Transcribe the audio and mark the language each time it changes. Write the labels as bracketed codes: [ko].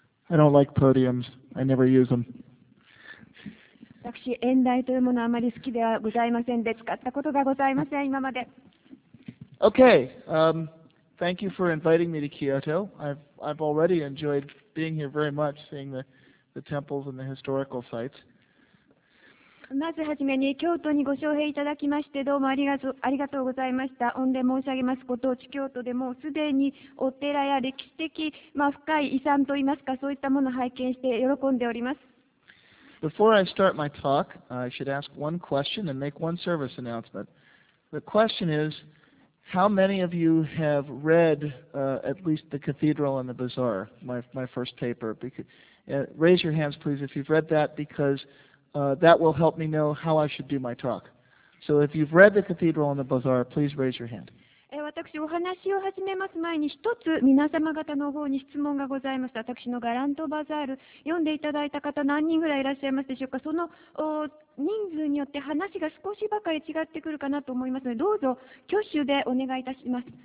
[en] I don't like podiums. I never use them. [ja] 私、演台というものはあまり好きではございませんで、使ったことがございません、今まで。 [en] Okay. Thank you for inviting me to Kyoto. I've already enjoyed being here very much, seeing the temples and the historical sites. [ja] まずはじめに、京都にご招聘いただきまして、どうもありがとうございました。御礼申し上げます。ご当地京都でもすでにお寺や歴史的、深い遺産といいますか、そういったものを拝見して喜んでおります。 [en] Before I start my talk, I should ask one question and make one service announcement. The question is, how many of you have read, at least The Cathedral and the Bazaar, my first paper? Raise your hands, please, if you've read that, becauseThat will help me know how I should do my talk. So if you've read The Cathedral and the Bazaar, please raise your hand. [ja] 私、お話を始めます前に、一つ皆様方の方に質問がございました。私のガラントバザール、読んでいただいた方、何人ぐらいいらっしゃいますでしょうか。その人数によって話が少しばかり違ってくるかなと思いますので、どうぞ挙手でお願いいたします。